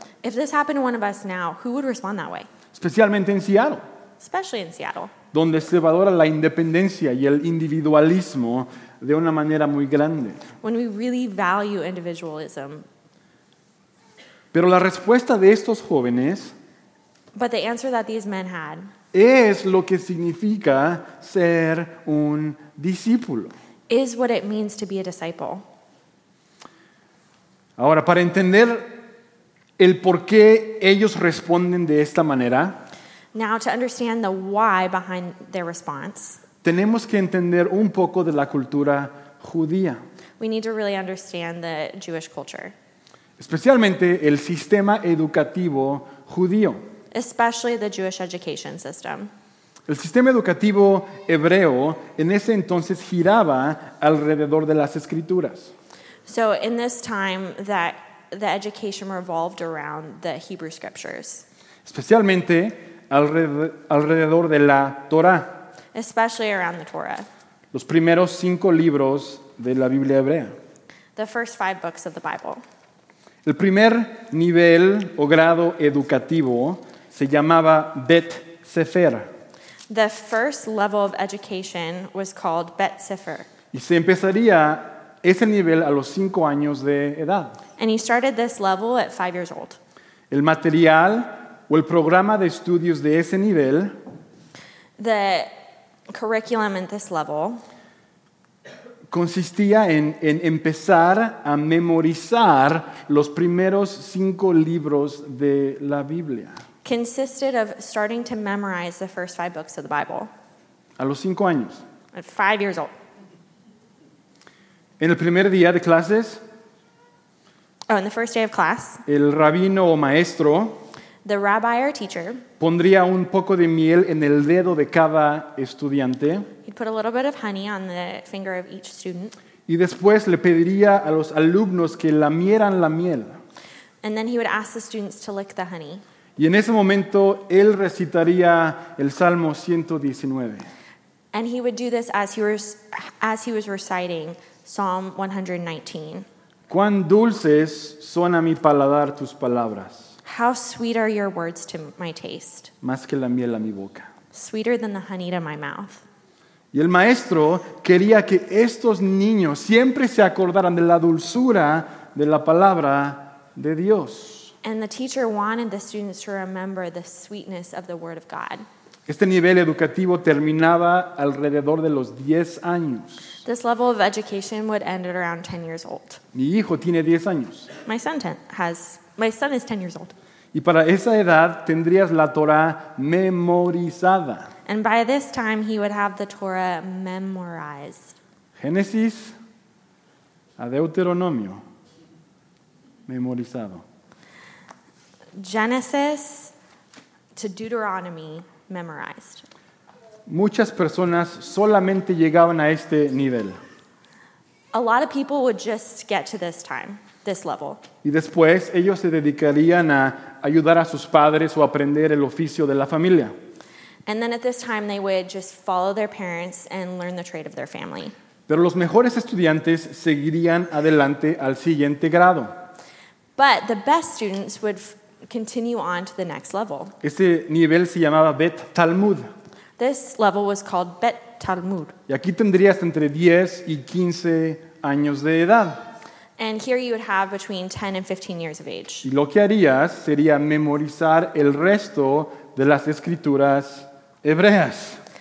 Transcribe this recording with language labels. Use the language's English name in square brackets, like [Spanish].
[English] If this happened to one of us now, who would respond that way? [Spanish] Especialmente en Seattle. [English] Especially in Seattle. [Spanish] Donde se valora la independencia y el individualismo de una manera muy grande. [English] When we really value individualism. [Spanish] Pero la respuesta de estos jóvenes, [English] but the answer that these men had, [Spanish] es lo que significa ser un discípulo. [English] Is what it means to be a disciple. [Spanish] Ahora, para entender el por qué ellos responden de esta manera, [English] now to understand the why behind their response, [Spanish] tenemos que entender un poco de la cultura judía. [English] We need to really understand the Jewish culture. [Spanish] Especialmente el sistema educativo judío. [English] Especially the Jewish education system. [Spanish] El sistema educativo hebreo en ese entonces giraba alrededor de las escrituras. [English] So in this time that the education revolved around the Hebrew scriptures. [Spanish] Especialmente alrededor de la Torah. [English] Especially around the Torah. [Spanish] Los primeros cinco libros de la Biblia hebrea. [English] The first five books of the Bible. [Spanish] El primer nivel o grado educativo se llamaba Bet Sefer. [English] The first level of education was called Bet Sefer. [Spanish] Y se empezaría ese nivel a los 5 años de edad. [English] And he started this level at 5 years old. [Spanish] El material o el programa de estudios de ese nivel, [English] the curriculum at this level, [Spanish] consistía en empezar a memorizar los primeros 5 libros de la Biblia. [English] Consisted of starting to memorize the first 5 books of the Bible. [Spanish] A los 5 años. [English] At 5 years old. [Spanish] En el primer día de clases. [English] Oh, in the first day of class. [Spanish] El rabino o maestro. [English] The rabbi or teacher. [Spanish] Pondría un poco de miel en el dedo de cada estudiante. [English] He'd put a little bit of honey on the finger of each student. [Spanish] Y después le pediría a los alumnos que lamieran la miel. [English] And then he would ask the students to lick the honey. [Spanish] Y en ese momento él recitaría el Salmo 119. [English] And he would do this as he was reciting Psalm 119. [Spanish] Cuán dulces son a mi paladar tus palabras. [English] How sweet are your words to my taste. [Spanish] Más que la miel a mi boca. [English] Sweeter than the honey to my mouth. [Spanish] Y el maestro quería que estos niños siempre se acordaran de la dulzura de la palabra de Dios. [English] And the teacher wanted the students to remember the sweetness of the word of God. [Spanish] Este nivel educativo terminaba alrededor de los 10 años. [English] This level of education would end at around 10 years old. [Spanish] Mi hijo tiene 10 años. [English] My son is 10 years old. [Spanish] Y para esa edad tendrías la Torah memorizada. [English] And by this time he would have the Torah memorized. [Spanish] Génesis a Deuteronomio memorizado. [English] Genesis to Deuteronomy memorized. [Spanish] Muchas personas solamente llegaban a este nivel. [English] A lot of people would just get to this time, this level. [Spanish] Y después ellos se dedicarían a ayudar a sus padres o aprender el oficio de la familia. [English] And then at this time they would just follow their parents and learn the trade of their family. [Spanish] Pero los mejores estudiantes seguirían adelante al siguiente grado. [English] But the best students would continue on to the next level. [Spanish] Este nivel se llamaba Bet Talmud. [English] This level was called Bet Talmud. [Spanish] Y aquí tendrías entre 10 y 15 años de edad. [English] And here you would have between 10 and 15 years of age. [Spanish] Y lo que harías sería memorizar el resto de las escrituras hebreas.